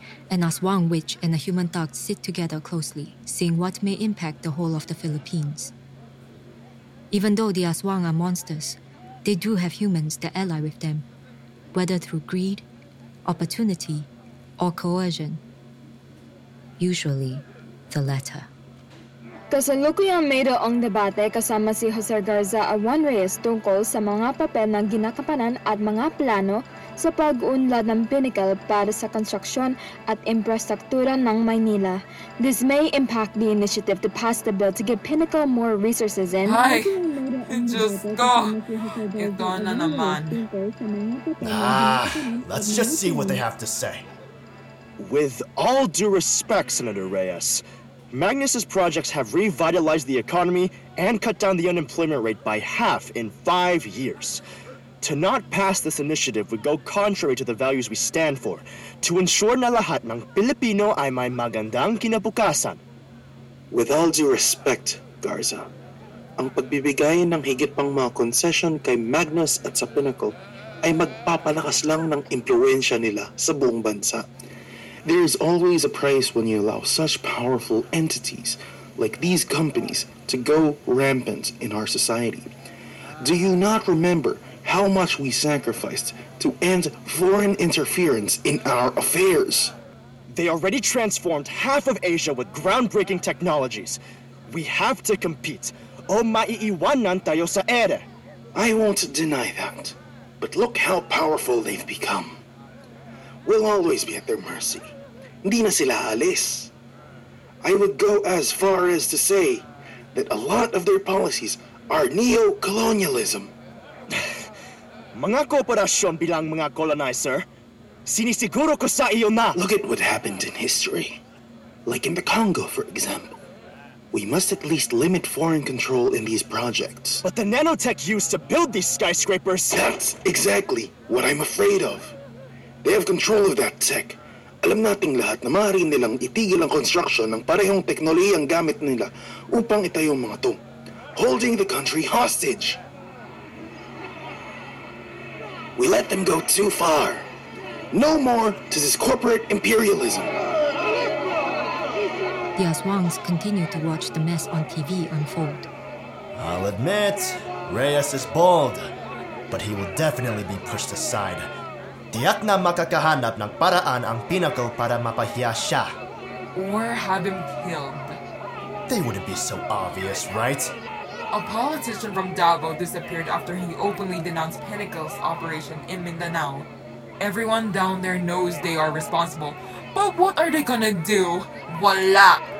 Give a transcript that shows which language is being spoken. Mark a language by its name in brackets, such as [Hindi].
[English] An Aswang witch and a human thug sit together closely, seeing what may impact the whole of the Philippines. Even though the Aswang are monsters, they do have humans that ally with them, whether through greed, opportunity, or coercion. Usually, the latter. [Filipino] Kasalukuyang may doong debate kasama si Jose Garza Awan Reyes tungkol sa mga papel ng ginakapanan at mga plano sa pag-unlad ng pinnacle para sa construction at infrastruktura ng Maynila. [English] This may impact the initiative to pass the bill to give pinnacle more resources in. [Filipino] Ay! Diyos ko! Ito na naman. [English] Let's just see what they have to say. With all due respect, Senator Reyes, Magnus's projects have revitalized the economy and cut down the unemployment rate by half in 5 years. To not pass this initiative would go contrary to the values we stand for, to ensure [Filipino] na lahat ng Pilipino ay may magandang kinabukasan. [English] With all due respect, [Filipino] Garza, ang pagbibigay ng higit pang mga concession kay Magnus at sa Pinnacle ay magpapalakas lang ng impluensya nila sa buong bansa. [English] There is always a price when you allow such powerful entities like these companies to go rampant in our society. Do you not remember how much we sacrificed to end foreign interference in our affairs? They already transformed half of Asia with groundbreaking technologies. We have to compete. [Filipino] O maiiwanan tayo sa ere. [English] I won't deny that, but look how powerful they've become. We'll always be at their mercy. [Filipino] Hindi na sila alis. [English] I would go as far as to say that a lot of their policies are neo-colonialism. [Filipino] Mga korporasyon bilang mga colonizer, sinisiguro ko sa iyo na. [English] Look at what happened in history. Like in the Congo, for example. We must at least limit foreign control in these projects. But the nanotech used to build these skyscrapers. That's exactly what I'm afraid of. They have control of that tech. [Filipino] Alam nating lahat na maaari nilang itigil ang construction ng parehong teknolohiyang gamit nila upang itayo ang mga ito. [English] Holding the country hostage. We let them go too far. No more to this corporate imperialism. The Aswangs continue to watch the mess on TV unfold. I'll admit, Reyes is bold, but he will definitely be pushed aside. [Filipino] Tiyak na makakahanap ng paraan ang Pinnacle para mapahiya siya. [English] Or have him killed. They wouldn't be so obvious, right? A politician from Davao disappeared after he openly denounced Pinnacle's operation in Mindanao. Everyone down there knows they are responsible, but what are they gonna do? Voila!